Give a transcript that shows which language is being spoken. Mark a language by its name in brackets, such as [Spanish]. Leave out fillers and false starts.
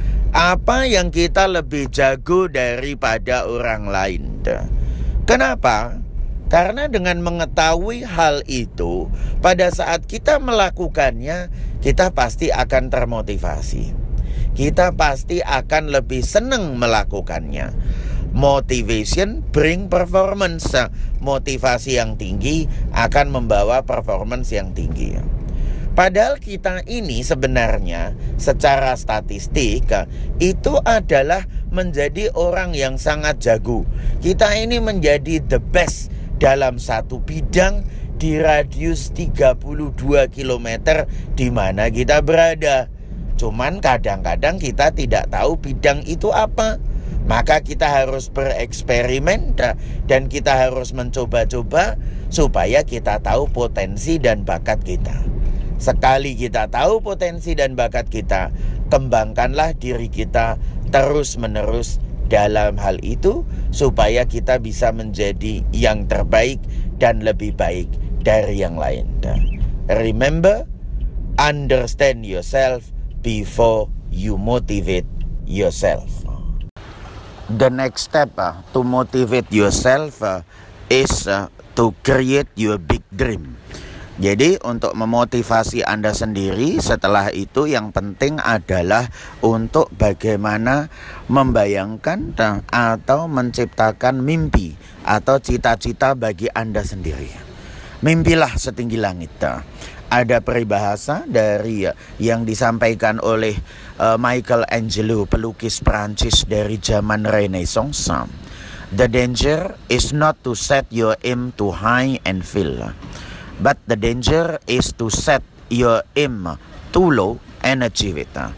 [Indonesian] Apa yang kita lebih jago daripada orang lain? Kenapa? Karena dengan mengetahui hal itu, pada saat kita melakukannya, kita pasti akan termotivasi. Kita pasti akan lebih senang melakukannya. [English] Motivation bring performance. [Indonesian] Motivasi yang tinggi akan membawa performance yang tinggi. Padahal kita ini sebenarnya secara statistik itu adalah menjadi orang yang sangat jago. Kita ini menjadi [English] the best [Indonesian] dalam satu bidang di radius 32 km di mana kita berada. Cuman kadang-kadang kita tidak tahu bidang itu apa. Maka kita harus bereksperimen dan kita harus mencoba-coba supaya kita tahu potensi dan bakat kita. Sekali kita tahu potensi dan bakat kita, kembangkanlah diri kita terus-menerus dalam hal itu supaya kita bisa menjadi yang terbaik dan lebih baik dari yang lain. [English] Remember, understand yourself before you motivate yourself. The next step to motivate yourself is to create your big dream. [Indonesian] Jadi untuk memotivasi Anda sendiri, setelah itu yang penting adalah untuk bagaimana membayangkan atau menciptakan mimpi atau cita-cita bagi Anda sendiri. Mimpilah setinggi langit. Ada peribahasa dari yang disampaikan oleh Michelangelo, pelukis Prancis dari zaman Renaissance. [English] The danger is not to set your aim too high and fail, but the danger is to set your aim too low and achieve it.